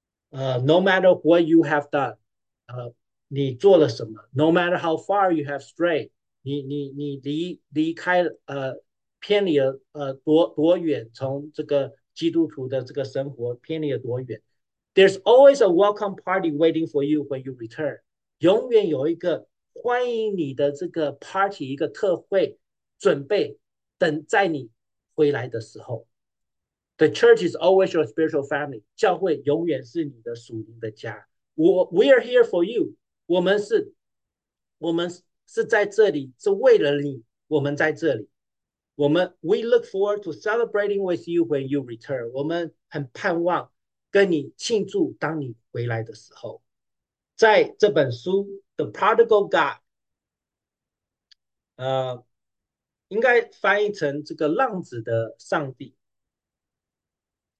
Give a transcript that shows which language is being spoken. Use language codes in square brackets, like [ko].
[en] No matter what you have done， [zh] 你做了什么？ [en] No matter how far you have strayed， [zh] 你离开偏离了多远？从这个基督徒的这个生活偏离了多远？ [en] There's always a welcome party waiting for you when you return。 [zh] 永远有一个欢迎你的这个 party，一个特会准备等在你回来的时候。 [en] The church is always your spiritual family。 [zh] 教会永远是你的属灵的家。 [en] We are here for you。 [zh] 我们是在这里，是为了你，我们在这里。 [en] We look forward to celebrating with you when you return。 [zh] 我们很盼望跟你庆祝，当你回来的时候。在这本书《The Prodigal God》，应该翻译成这个"浪子的上帝"。